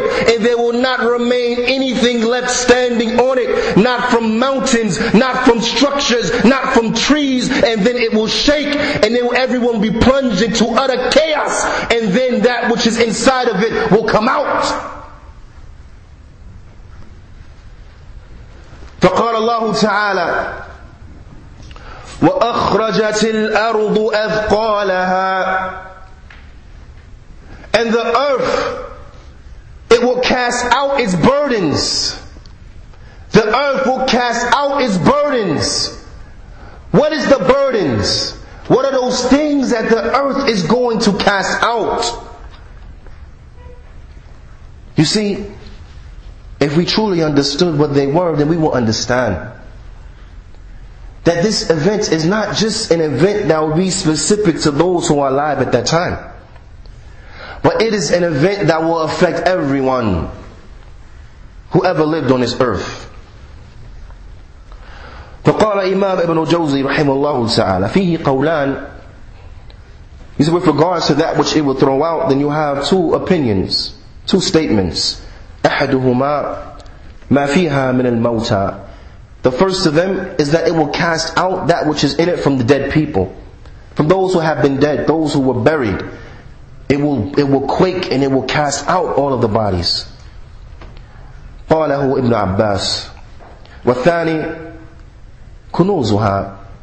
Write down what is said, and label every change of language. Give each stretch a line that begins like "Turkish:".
English: And there will not remain anything left standing on it. Not from mountains, not from structures, not from trees. And then it will shake, and then everyone will be plunged into utter chaos. And then that which is inside of it will come out.
Arabic: فقال الله تعالى وأخرجت الأرض أثقالها.
English: And the earth, it will cast out its burdens. The earth will cast out its burdens. What is the burdens? What are those things that the earth is going to cast out? You see, if we truly understood what they were, then we will understand that this event is not just an event that will be specific to those who are alive at that time, but it is an event that will affect everyone who ever lived on this earth.
Arabic: فقال إمام ابن جوزي رحمه الله تعالى فيه قولان.
English: He said, with regards to that which it will throw out, then you have two opinions, two statements.
Arabic: أحدهما ما فيها من الموتى.
English: The first of them is that it will cast out that which is in it from the dead people, from those who have been dead, those who were buried. It will quake and it will cast out all of the bodies.
Arabic: قاله ابن عباس. والثاني كنوزها.